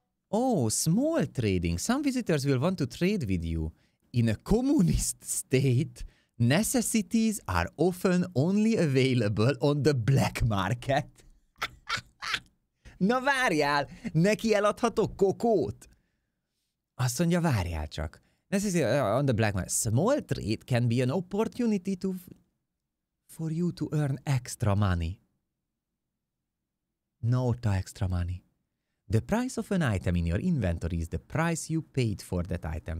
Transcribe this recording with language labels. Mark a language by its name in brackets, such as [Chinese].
[English] Oh, small trading. Some visitors will want to trade with you. In a communist state, necessities are often only available on the black market. [Hungarian] Na várjál, neki eladhatok kokót? Azt mondja, várjál csak. [English] On the black market, small trade can be an opportunity to for you to earn extra money. Nota extra money. The price of an item in your inventory is the price you paid for that item.